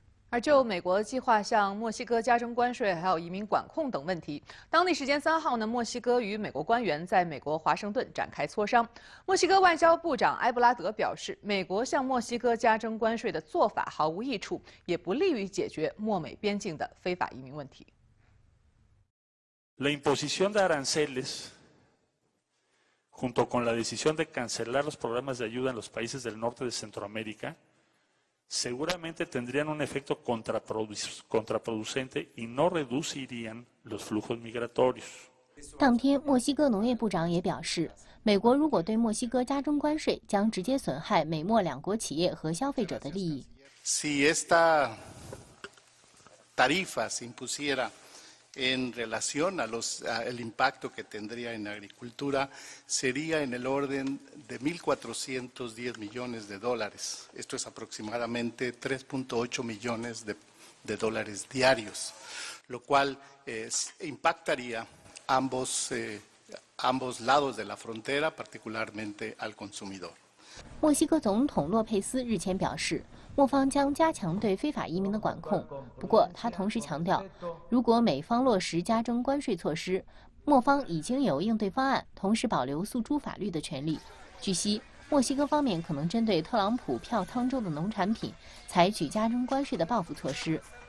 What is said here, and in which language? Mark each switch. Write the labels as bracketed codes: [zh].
[zh] 而就美国计划向墨西哥加征关税还有移民管控等问题，当地时间三号呢，墨西哥与美国官员在美国华盛顿展开磋商。墨西哥外交部长埃布拉德表示，美国向墨西哥加征关税的做法毫无益处，也不利于解决墨美边境的非法移民问题。 [es] La imposición de aranceles junto con la decisión de cancelar los programas de ayuda en los países del norte de Centroamérica. Seguramente tendrían un efecto contraproducente y no reducirían los flujos migratorios. [zh] 当天，墨西哥农业部长也表示，美国如果对墨西哥加征关税，将直接损害美墨两国企业和消费者的利益。 [es] Si esta tarifa se impusiera en relación a los el impacto que tendría en agricultura, sería en el orden de 1.410 millones de dólares. Esto es aproximadamente 3.8 millones de dólares diarios, lo cual impactaría ambos lados de la frontera, particularmente al consumidor. [zh] 墨西哥总统洛佩斯日前表示，墨方将加强对非法移民的管控，不过他同时强调，如果美方落实加征关税措施，墨方已经有应对方案，同时保留诉诸法律的权利。据悉，墨西哥方面可能针对特朗普票仓中的农产品采取加征关税的报复措施。